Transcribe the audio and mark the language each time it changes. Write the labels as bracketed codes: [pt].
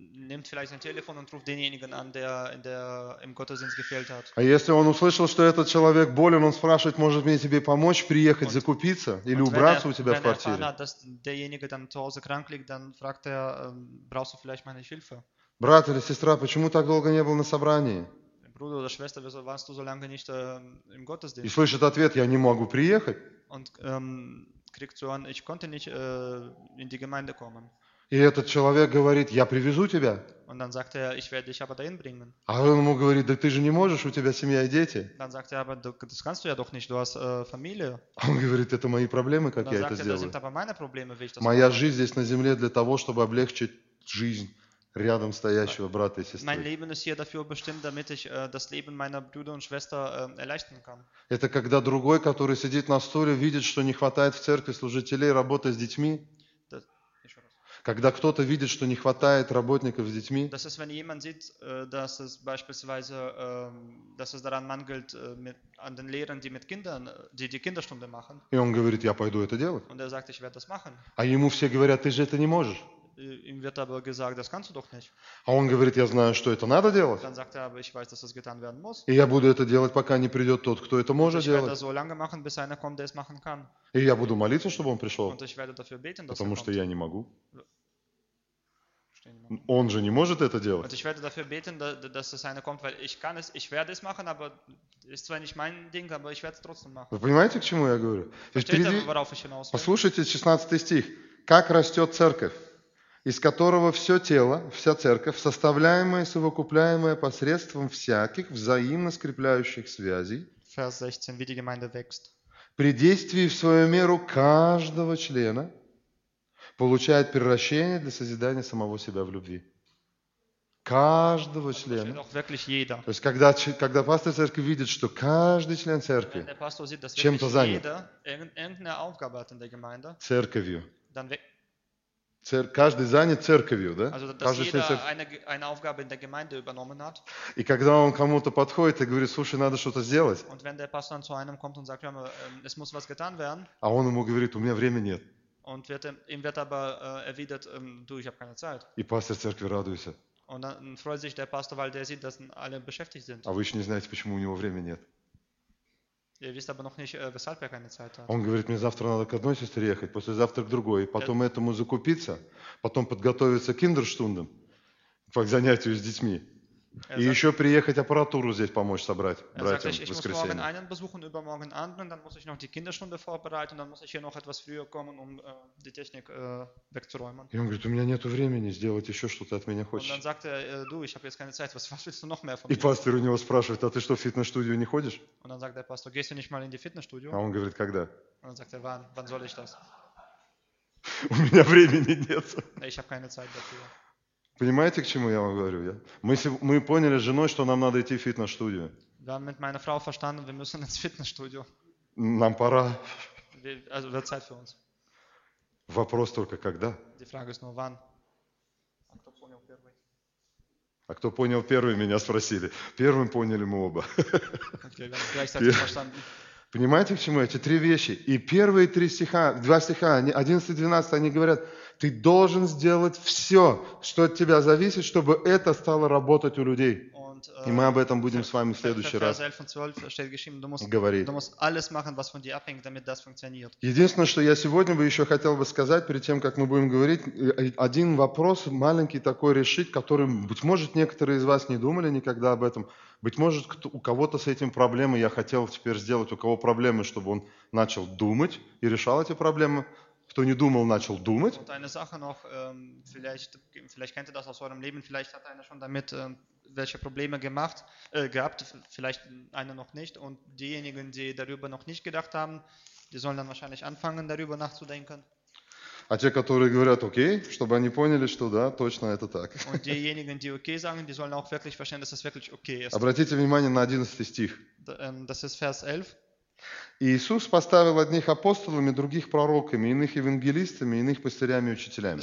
[de] Nimmt vielleicht sein Telefon und ruft denjenigen an, der im Gottesdienst gefehlt hat. [ru] А если он услышал, что этот человек болен, он спрашивает, может мне тебе помочь приехать, закупиться или убраться у тебя в квартире? [de] Wenn er erfahren hat, dass derjenige dann zu Hause krank liegt, dann fragt er, brauchst du vielleicht meine Hilfe? [ru] Брат или сестра, почему так долго не был на собрании? [de] Bruder oder Schwester, wieso warst du so lange nicht im Gottesdienst? [ru] И слышит ответ, я не могу приехать. [de] Und kriegt zu hören, ich konnte nicht in die Gemeinde kommen. [ru] И этот человек говорит, я привезу тебя. [de] Und dann sagt er, ich werde dich aber dahin bringen. [ru] А он ему говорит, да ты же не можешь, у тебя семья и дети. [de] Dann sagt er, aber das kannst du ja doch nicht, du hast Familie. [ru] Он говорит, это мои проблемы, как [de] dann [ru] я это сделаю. [de] Das sind aber meine Probleme, wie ich das [ru] Моя жизнь здесь на земле для того, чтобы облегчить жизнь рядом стоящего брата и сестры. [de] Mein Leben ist hier dafür bestimmt, damit ich das Leben meiner Brüder und Schwester erleichtern kann. [ru] Это когда другой, который сидит на стуле, видит, что не хватает в церкви служителей, работы с детьми. Когда кто-то видит, что не хватает работников с детьми. [de] Das ist, wenn jemand sieht, dass es beispielsweise, dass es daran mangelt, an den Lehrern, die mit Kindern, die Kinderstunde machen. [ru] И он говорит, я пойду это делать. [de] Und er sagt, ich werde das machen. [ru] А ему все говорят, ты же это не можешь. [de] Ihm wird aber gesagt, das kannst du doch nicht. [ru] А он говорит, я знаю, что это надо делать. [de] Dann sagt er, aber ich weiß, dass das getan werden muss. [ru] И я буду это делать, пока не придет тот, кто это может делать. [de] Ich werde das so lange machen, bis einer kommt, der es machen kann. [ru] И я буду молиться, чтобы он пришел. [de] Und ich werde dafür beten, dass [ru] потому [de] er [ru] что я не могу. Он же не может это делать. [de] Und ich werde dafür beten, dass es einer kommt, weil ich kann es, ich werde es machen, aber ist zwar nicht mein Ding, aber ich werde es trotzdem machen. [ru] Вы понимаете, к чему я говорю? Впереди... [de] Worauf ich hinaus will? [ru] Послушайте 16 стих. Как растет церковь? Из которого все тело, вся церковь, составляемая и совокупляемая посредством всяких взаимно скрепляющих связей, [de] Vers 16, wie die Gemeinde wächst. [ru] При действии в свою меру каждого члена получает превращение для созидания самого себя в любви. Каждого члена. [de] Auch wirklich jeder. [ru] То есть, когда пастор церкви видит, что каждый член церкви чем-то занят, [de] irgendeine Aufgabe hat in der Gemeinde, [ru] церковью, [de] dann [ru] каждый занят церковью, да? Also, каждый член церкви. [de] Eine Aufgabe in der Gemeinde übernommen hat. [ru] И когда он кому-то подходит и говорит, слушай, надо что-то сделать, а он ему говорит, у меня времени нет. [de] Und wird, ihm wird aber erwidert, du, ich habe keine Zeit. [ru] И пастор церкви радуется. [de] Und dann freut sich der Pastor, weil der sieht, dass alle beschäftigt sind. [ru] А вы еще не знаете, почему у него времени нет. [de] Ihr wisst aber noch nicht, weshalb er keine Zeit hat. [ru] Он говорит, мне завтра надо к одной сестре ехать, послезавтра к другой, потом этому закупиться, потом подготовиться к киндерштундам, к занятию с детьми. И еще приехать аппаратуру здесь помочь собрать братьям в воскресенье. [de] Ich muss morgen einen besuchen, übermorgen anderen, dann muss ich noch die Kinderstunde vorbereiten, dann muss ich hier noch etwas früher kommen, die Technik wegzuräumen. [ru] И он говорит, у меня нету времени сделать еще что-то от меня хочешь. [de] Und dann sagt er, du, ich habe jetzt keine Zeit, was willst du noch mehr von mir? [ru] И пастор у него спрашивает, а ты что, в фитнес-студию не ходишь? [de] Und dann sagt der Pastor, gehst du nicht mal in die Fitnessstudio? [ru] А он говорит, когда? [de] Und dann sagt er, wann soll ich das? [ru] У меня времени нет. [de] Ich habe keine Zeit dafür. [ru] Понимаете, к чему я вам говорю? Мы поняли с женой, что нам надо идти в фитнес-студию. [de] Wir haben mit meiner Frau verstanden, wir müssen ins Fitnessstudio. [ru] Нам пора. [de] Also wird Zeit für uns. [ru] Вопрос только когда? [de] Die Frage ist nur wann. [ru] А кто понял первый, меня спросили. Первым поняли мы оба. [de] Okay, wir haben gleichzeitig verstanden. [ru] Понимаете, к чему эти три вещи? И первые три стиха, два стиха, 11 и 12, они говорят, ты должен сделать все, что от тебя зависит, чтобы это стало работать у людей. И мы об этом будем с вами в следующий раз говорить. [de] Du musst alles machen, was von dir abhängt, damit das funktioniert. [ru] Единственное, что я сегодня бы еще хотел бы сказать, перед тем, как мы будем говорить, один вопрос маленький такой решить, который, быть может, некоторые из вас не думали никогда об этом. Быть может, у кого-то с этим проблемы, я хотел теперь сделать, у кого проблемы, чтобы он начал думать и решал эти проблемы. Кто не думал, начал думать. [de] Und eine Sache noch, vielleicht kennt ihr das aus eurem Leben, vielleicht hat einer schon damit welche Probleme gehabt, vielleicht einer noch nicht. Und diejenigen, die darüber noch nicht gedacht haben, die sollen dann wahrscheinlich anfangen, darüber nachzudenken. [ru] А те, которые говорят, окей, чтобы они поняли, что да, точно это так. [de] Und diejenigen, die okay sagen, die sollen auch wirklich verstehen, dass das wirklich okay ist. [ru] Обратите внимание на 11 стих. [de] Das ist Vers 11. [ru] Иисус поставил одних апостолами, других пророками, иных евангелистами, иных пастырями и учителями.